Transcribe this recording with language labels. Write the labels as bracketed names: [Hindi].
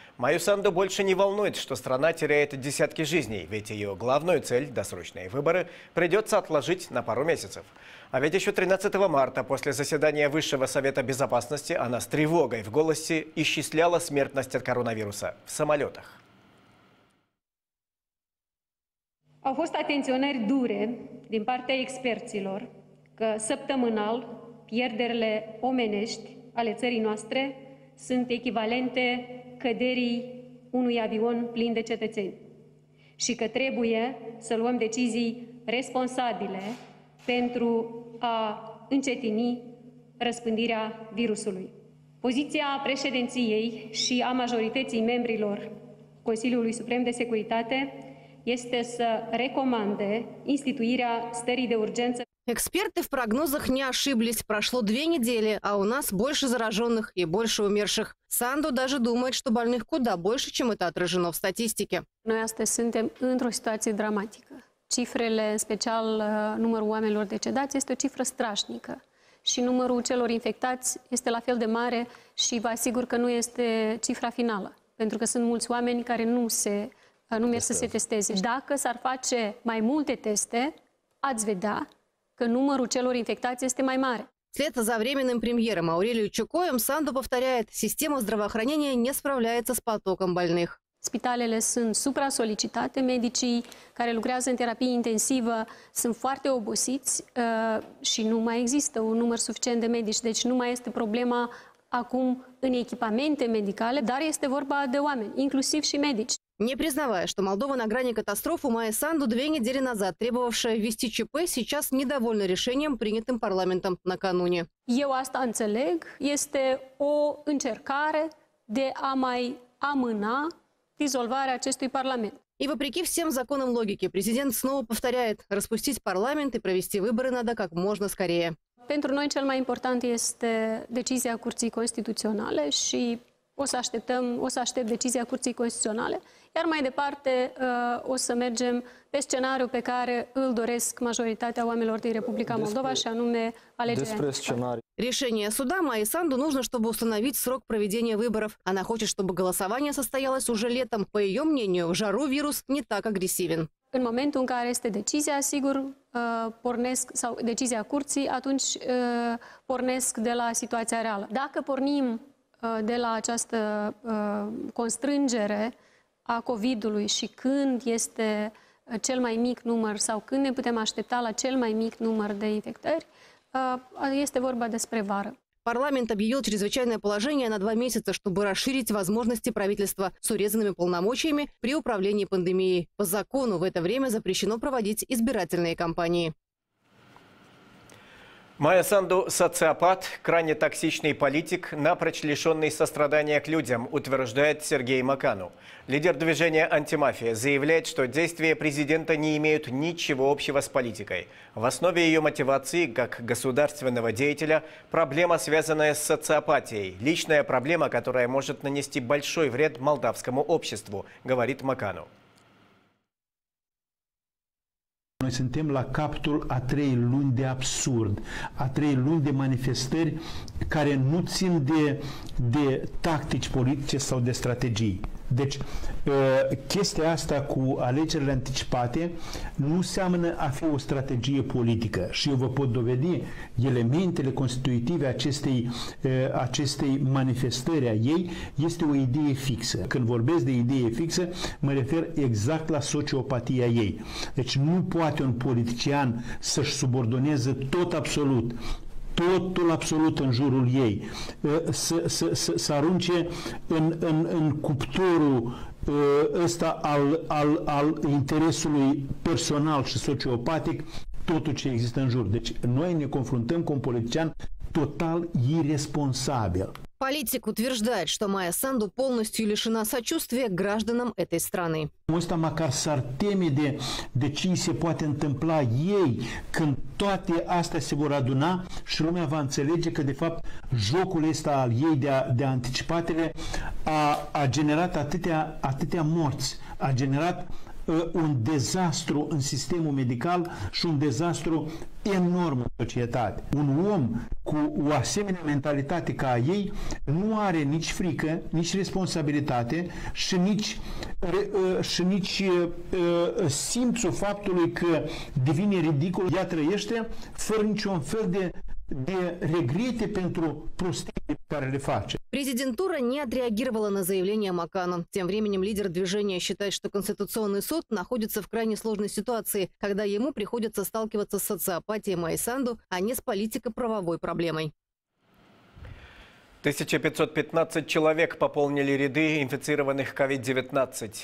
[Russian] Майю Санду больше не волнует, что страна теряет десятки жизней, ведь ее главную цель – досрочные выборы – придется отложить на пару месяцев. А ведь еще 13 марта после заседания Высшего совета безопасности она с тревогой в голосе исчисляла смертность от коронавируса в самолетах. [Romanian] Au fost atenționări dure din partea experților că săptămânal pierderile omenești ale țării noastre sunt echivalente căderii unui avion plin de cetățeni și că trebuie să luăm decizii responsabile pentru a încetini răspândirea virusului. Poziția președinției și a majorității membrilor Consiliului Suprem de Securitate este să recomande instituirea stării de urgență. [Russian] Эксперты в прогнозах не ошиблись. Прошло две недели, а у нас больше зараженных и больше умерших. Санду даже думает, что больных куда больше, чем это отражено в статистике. [Romanian] Noi astăzi suntem într-o situație dramatică. Cifrele, în special numărul oamenilor decedați, este o cifră strașnică. Și numărul celor infectați este la fel de mare și vă asigur că nu este cifra finală. Pentru că sunt mulți oameni care nu se... Nu merg să se testeze. Dacă s-ar face mai multe teste, ați vedea că numărul celor infectați este mai mare. [Russian] Вслед за временным премьером Аурелию Чукоем Санду повторяет, система здравоохранения не справляется с потоком больных. [Romanian] Spitalele sunt supra-solicitate, medicii care lucrează în terapie intensivă sunt foarte obosiți și nu mai există un număr suficient de medici. Deci nu mai este problema acum în echipamente medicale, dar este vorba de oameni, inclusiv și medici. [Russian] Не признавая, что Молдова на грани катастрофы, Майя Санду две недели назад, требовавшая ввести ЧП, сейчас недовольна решением, принятым парламентом накануне. [Romanian] Eu asta înțeleg, este o încercare de a mai amâna dizolvarea acestui parlament. [Russian] И вопреки всем законам логики, президент снова повторяет, распустить парламент и провести выборы надо как можно скорее. [Romanian] Pentru noi cel mai important este decizia Curții Constituționale și o să aștept decizia Curții Constituționale. Iar mai departe o să mergem pe scenariul pe care îl doresc majoritatea oamenilor din Republica Moldova și anume alegerea. [Russian] Решение суда Майи Санду нужно, чтобы установить срок проведения выборов. Она хочет, чтобы голосование состоялось уже летом. По ее мнению, в жару вирус не так агресивен. [Romanian] În momentul în care este decizia, sigur, pornesc, sau decizia curții, atunci pornesc de la situația reală. Dacă pornim de la această constrângere a COVID-ului și când este cel mai mic număr sau când ne putem aștepta la cel mai mic număr de infectări, este vorba despre vară. [Russian] Парламент объявил чрезвычайное положение на 2 месяца, чтобы расширить возможности правительства с урезанными полномочиями при управлении пандемией. По закону в это время запрещено проводить избирательные кампании. Майя Санду – социопат, крайне токсичный политик, напрочь лишенный сострадания к людям, утверждает Сергей Макану. Лидер движения «Антимафия» заявляет, что действия президента не имеют ничего общего с политикой. В основе ее мотивации, как государственного деятеля, проблема, связанная с социопатией. Личная проблема, которая может нанести большой вред молдавскому обществу, говорит Макану. [Romanian] Noi suntem la capătul a 3 luni de absurd, a 3 luni de manifestări care nu țin de tactici politice sau de strategii. Deci, chestia asta cu alegerile anticipate nu seamănă a fi o strategie politică. Și eu vă pot dovedi elementele constitutive acestei manifestări a ei este o idee fixă. Când vorbesc de idee fixă, mă refer exact la sociopatia ei. Deci nu poate un politician să-și subordoneze tot absolut. Totul absolut în jurul ei, să arunce în cuptorul ăsta al interesului personal și sociopatic totul ce există în jur. Deci noi ne confruntăm cu un politician total irresponsabil. [Russian] Политик утверждает, что Майя Санду полностью лишена сочувствия к гражданам этой страны. [Romanian] Это макар сартеми де чи се пуате întâmpla ei, când toate astea se vor aduna și lumea va înțelege că, de fapt, jocul ăsta al ei de anticipatele a generat atâtea morți, a generat un dezastru în sistemul medical și un dezastru enorm în societate. Un om cu o asemenea mentalitate ca a ei nu are nici frică, nici responsabilitate și nici simțul faptului că devine ridicol. Ea trăiește fără niciun fel de regrete pentru prostiile pe care le face. [Russian] Президентура не отреагировала на заявление Макана. Тем временем лидер движения считает, что Конституционный суд находится в крайне сложной ситуации, когда ему приходится сталкиваться с социопатией Майи Санду, а не с политико-правовой проблемой. 1515 человек пополнили ряды инфицированных COVID-19.